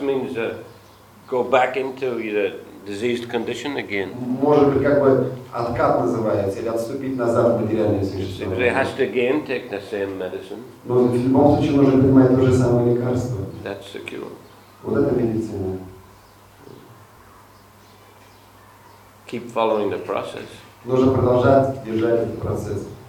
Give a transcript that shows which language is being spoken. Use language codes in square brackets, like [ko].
[en] means go back into the diseased condition again. [ru] Может быть, как бы откат называется, или отступить назад в материальное существование. [en] It has to again take the same medicine. [ru] Но в любом случае нужно принимать то же самое лекарство. [en] That's the cure. [ru] Вот это медицина. [en] Keep following the process. [ru] Нужно продолжать держать этот процесс.